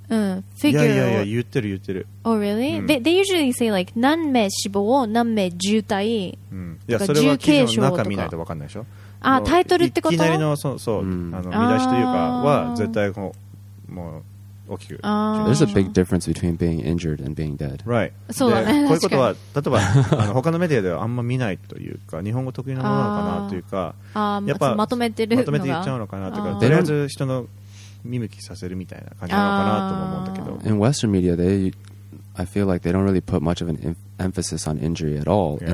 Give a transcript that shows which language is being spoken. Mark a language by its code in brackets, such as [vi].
[ja] うん、フィギュアいやいや言ってる言ってる、 [en] Oh really?、うん、they usually say like [ja] 何名死亡何名重体、うん、いやそれは記事の中見ないと分かんないでしょ、あータイトルってこと、いきなりのそうそう、うん、あの見出しというかは絶対こうもう大きく、あ [en] There's a big difference between being injured and being dead. Right. [ja] そうだね、こういうことは例えばあの他のメディアではあんま見ないというか、日本語得意なものなのかなというか、あやっぱまとめてるのがまとめて言っちゃうのかなというか、とりあえず人の見向きさせるみたいな感じなのかなとも思うんだけど、 [en] In Western media, they, I feel like they don't really put much of an emphasis on injury at all,、yeah.